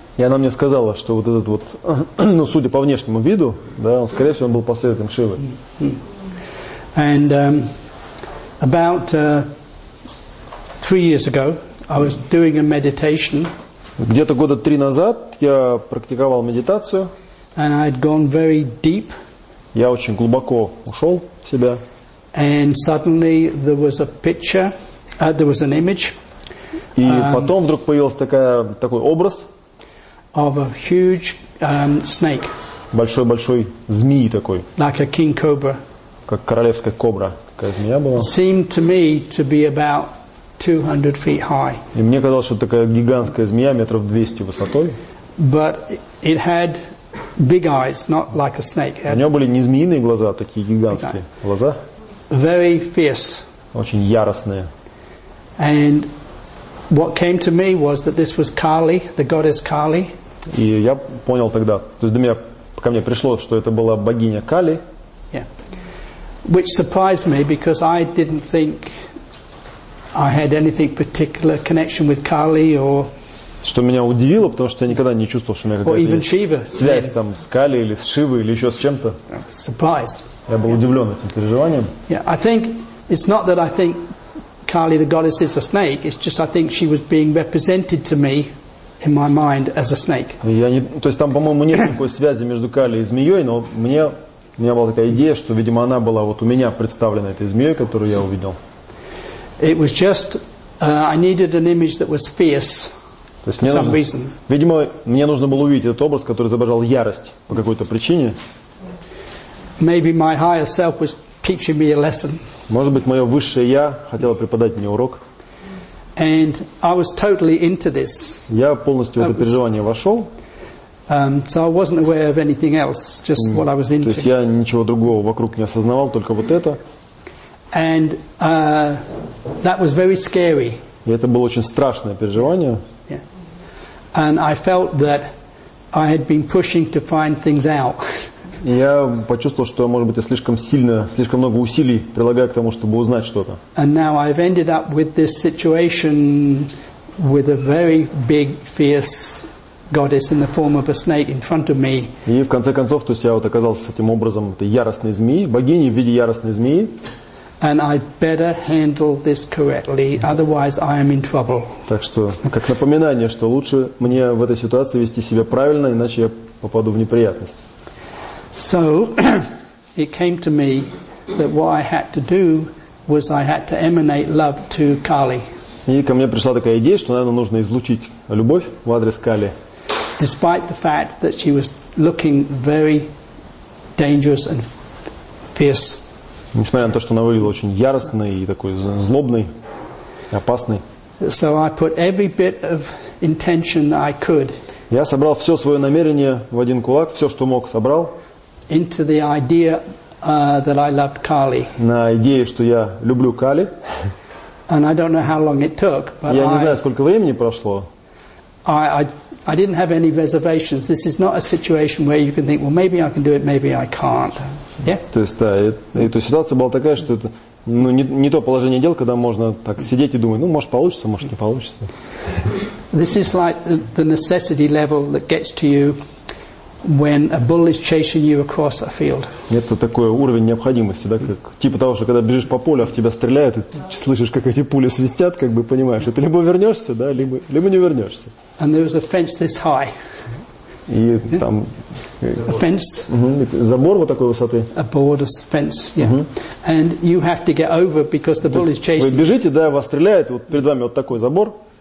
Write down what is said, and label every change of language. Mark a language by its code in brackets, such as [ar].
[ru] И она мне сказала, что вот этот вот, ну, судя по внешнему виду, да, он, скорее всего, он был последователем Шивы. [en] And about 3 years ago, I was doing a meditation. [ru] Где-то года три назад я практиковал медитацию. [en] And I had gone very deep. [ru] Я очень глубоко ушел в себя. [en] And suddenly there was a picture, there was an image. [ru] И потом вдруг появился такой образ. [en] Of a huge snake. [ru] Большой змеи такой. [en] Like a king cobra. [ru] Как королевская кобра, такая змея была. [en] Seemed to me to be about 200 feet high. [ru] И мне казалось, что такая гигантская змея метров 200 высотой. [en] But it had big eyes, not like a snake. [ru] У нее были не змеиные глаза, а такие гигантские глаза. [en] Very fierce. [ru] Очень яростные. [en] And what came to me was that this was Kali, the goddess Kali. [ru] И я понял тогда, то есть до меня, ко мне пришло, что это была богиня Кали. [en] Yeah. Which surprised me because I didn't think I had anything particular connection with Kali or. [ru] Что меня удивило, потому что я никогда не чувствовал, что у меня какая-то [en] Shiva, [ru] связь yeah. там с Кали или с Шивой или еще с чем-то. [en] Surprised. [ru] Я был удивлен этим переживанием. [en] Yeah, I think it's not that I think Kali, the goddess, is a snake. It's just I think she was being represented to me in my mind as a snake. [ru] Я не, то есть там, по-моему, нет никакой связи между Кали и змеей, но мне у меня была такая идея, что, видимо, она была вот у меня представлена этой змеей, которую я увидел. [en] It was just I needed an image that was fierce. [ru] То есть мне [en] for some reason. [ru] Видимо, мне нужно было увидеть этот образ, который изображал ярость по какой-то причине. [en] Maybe my higher self was teaching me a lesson. [ru] Может быть, мое высшее я хотело преподать мне урок. [en] And I was totally into this. [ru] Я полностью в это переживание вошел. [en] So I wasn't aware of anything else, just what I was into. [ru] То есть я ничего другого вокруг не осознавал, только вот это. [en] And that was very scary. [ru] И это было очень страшное переживание. [en] Yeah. And I felt that I had been pushing to find things out. [ru] Я почувствовал, что, может быть, я слишком много усилий прилагаю к тому, чтобы узнать что-то. [en] And now I've ended up with this situation with a very big, fierce goddess in the form of a snake in front of me. [ru] И в конце концов, то есть я вот оказался с этим образом этой яростной змеи, богини в виде яростной змеи. [en] And I better handle this correctly, otherwise I am in trouble. [ru] Так что, как напоминание, что лучше мне в этой ситуации вести себя правильно, иначе я попаду в неприятность. [en] So it came to me that what I had to do was I had to emanate love to Kali. [ru] И ко мне пришла такая идея, что, наверное, нужно излучить любовь в адрес Кали. [en] Despite the fact that she was looking very dangerous and fierce. [ru] Несмотря на то, что она выглядела очень яростной и такой злобной, опасной. [en] So I put every bit of intention I could. [ru] Я собрал все свое намерение в один кулак, все, что мог, собрал. [en] Into the idea that I loved Kali. [ru] На идее, что я люблю Кали. [en] And I don't know how long it took, but [ru] я не знаю, сколько времени прошло. [en] I didn't have any reservations. This is not a situation where you can think, well, maybe I can do it, maybe I can't. Yeah. [ru] То есть, да, эта ситуация была такая, что это, ну, не то положение дел, когда можно так сидеть и думать, ну, может получится, может не получится. [en] This is like the necessity level that gets to you. When a bull is chasing you across a field. [ru] Это такой уровень необходимости, да, как типа того, что когда бежишь по полю, а в тебя стреляют, и ты слышишь, как эти пули свистят, как бы понимаешь, это либо вернешься, да, либо не вернешься. [en] And there was a fence this high. [ru] И там [en] a fence. [ru] Забор вот такой высоты. [en] A board of fence, yeah. And you have to get over because the bull is chasing. [ru] Вы бежите, да, вас стреляют, вот перед вами вот такой забор.